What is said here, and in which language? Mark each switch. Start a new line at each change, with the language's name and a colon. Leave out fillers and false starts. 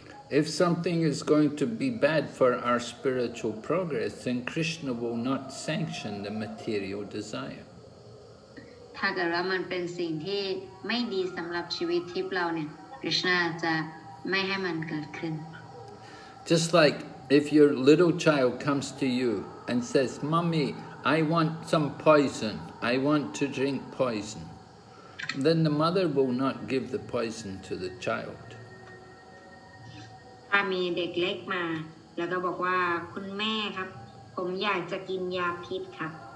English: If something is going to be bad for our spiritual progress, then Krishna will not sanction the material desire.
Thai: ถ้าเกิดว่ามันเป็นสิ่งที่ไม่ดีสำหรับชีวิตทิพย์เราเนี่ยคริสต์น่าจะไม่ให้มันเกิดขึ้น
English: Just like if your little child comes to you and says, "Mommy, I want some poison. I want to drink poison," then the mother will not give the poison to the child.
Thai: ถ้ามีเด็กเล็กมาแล้วก็บอกว่าคุณแม่ครับผมอยากจะกินยาพิษครับ